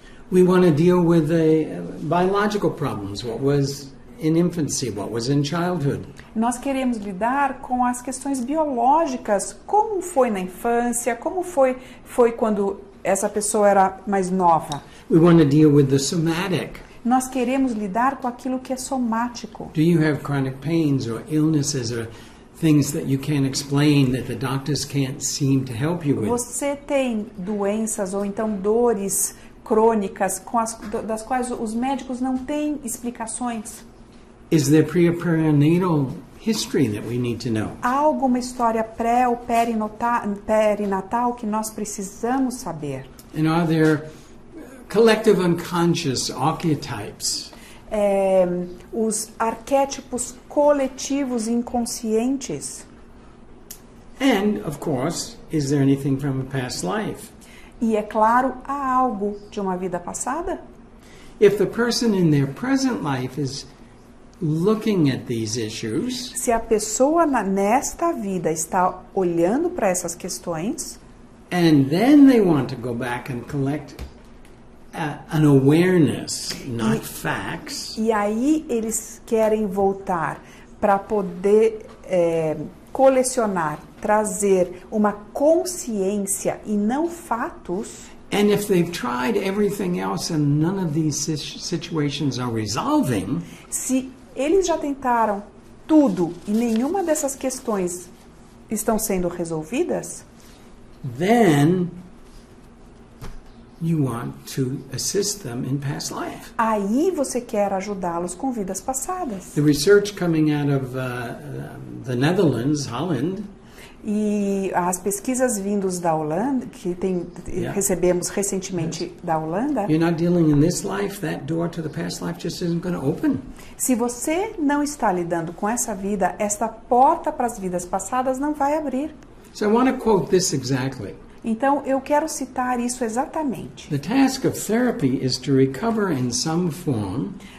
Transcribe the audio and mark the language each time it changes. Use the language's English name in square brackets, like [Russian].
[English] We want to deal with the biological problems. What was in infancy, what was in childhood. [Portuguese] Nós queremos lidar com as questões biológicas, como foi na infância, como foi quando essa pessoa era mais nova. [English] We want to deal with the somatic. [Portuguese] Nós queremos lidar com aquilo que é somático. [English] Do you have chronic pains or illnesses or things that you can't explain that the doctors can't seem to help you with? [Portuguese] Você tem doenças ou então dores crônicas com as, das quais os médicos não têm explicações? [English] Is there pre-perinatal history that we need to know? [Portuguese] Há alguma história pré ou perinatal que nós precisamos saber? [English] And are there collective unconscious archetypes? [Portuguese] Os arquétipos coletivos inconscientes. [English] And of course, is there anything from a past life? [Portuguese] E é claro, há algo de uma vida passada? [English] If the person in their present life is looking at these issues, [Portuguese] se a pessoa nesta vida está olhando para essas questões, [English] and then they want to go back and collect an awareness, not facts. [Portuguese] E aí eles querem voltar para poder colecionar, trazer uma consciência e não fatos. [English] And if they've tried everything else and none of these situations are resolving, [Portuguese] se eles já tentaram tudo e nenhuma dessas questões estão sendo resolvidas, [English] then you want to assist them in past life. [Portuguese] Aí você quer ajudá-los com vidas passadas. [English] The research coming out of the Netherlands, Holland. [Portuguese] E as pesquisas vindas da Holanda, que tem, yeah, recebemos recentemente, yes, da Holanda. [English] You're not dealing in this life, that door to the past life just isn't going to open. [Portuguese] Se você não está lidando com essa vida, esta porta para as vidas passadas não vai abrir. [English] So I want to quote this exactly. [Portuguese] Então, eu quero citar isso exatamente. [English] The task of therapy is to recover in some form.